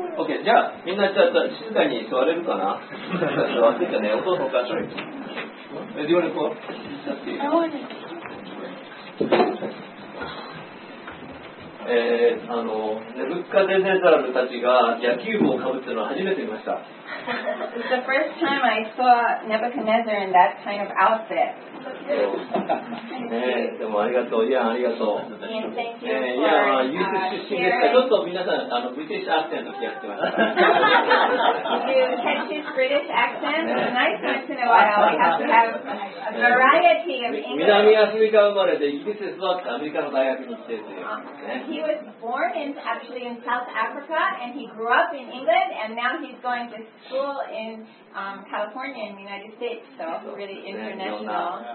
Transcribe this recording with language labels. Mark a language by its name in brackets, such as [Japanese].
[Japanese] Okay, じゃあ、みんなじゃあ、静かに座れるかな座ってたね。お父さんからちょっと。 [English] Do you want to go? [Japanese] あのネブカデネザルたちが野球帽をかぶってるのは初めて見ました。 [English] It's the first time I saw Nebuchadnezzar in that kind of outfit. [Japanese] でもありがとう、いやありがとう。いや、ユース出身ですから、ちょっと皆さん、あの、ブリティッシュアクセントやってます。 [English] Do you catch his British accent? Nice once in a while. We have to have a variety of English. [Japanese] 南アフリカ生まれで、イギリスで育ってアメリカの大学に来てて。 [English] He was born in, actually in South Africa, and he grew up in England, and now he's going to school in California in the United States, so really international.